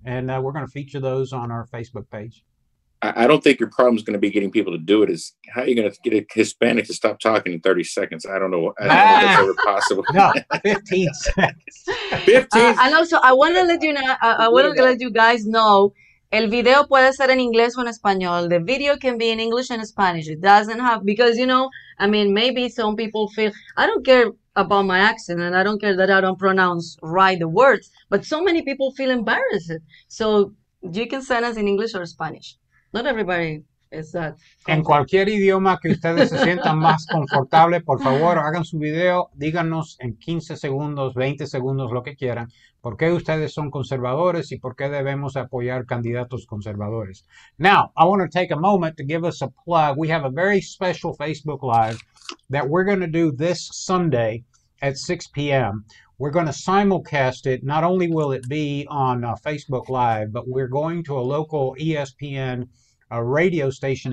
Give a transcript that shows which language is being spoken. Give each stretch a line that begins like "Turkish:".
English: And we're going to feature those on our Facebook page. I don't think your problem is going to be getting people to do it. Is how are you going to get a Hispanic to stop talking in 30 seconds? I don't know if that's ever possible. No, 15 seconds. 15. And also, I want to let you know. I want to let you guys know.
Spanish: El video puede ser en inglés o en español.
English: The video can be in English and Spanish. It doesn't have because you know. I mean, maybe some people feel I don't care about my accent and I don't care that I don't pronounce right the words. But so many people feel embarrassed. So you can send us in English or Spanish. Not everybody is that.
Spanish: En cualquier idioma que ustedes se sientan más confortable, por favor, hagan su video. Díganos en 15 segundos, 20 segundos, lo que quieran. ¿Por qué ustedes son conservadores y por qué debemos apoyar candidatos conservadores?
English: Now, I want to take a moment to give us a plug. We have a very special Facebook Live that we're going to do this Sunday at 6 p.m. We're going to simulcast it. Not only will it be on Facebook Live, but we're going to a local ESPN radio station.